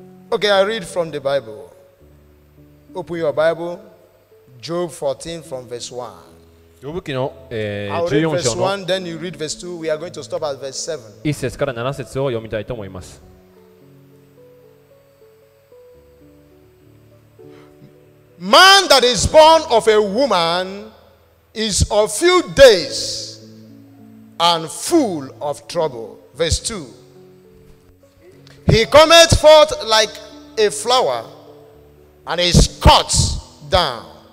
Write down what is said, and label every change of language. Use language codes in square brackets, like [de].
[en] Okay, I read from the Bible. Open your Bible, Job 14 from verse 1. [ja] Job 記の 14章の。 [en] I'll read verse 1, then you read verse 2. We are going to stop at verse 7. [ja] 1節から7節を読みたいと思います。 [en] Man that is born of a woman is a few days and full of trouble. Verse 2. He cometh forth like a flower and is cut down.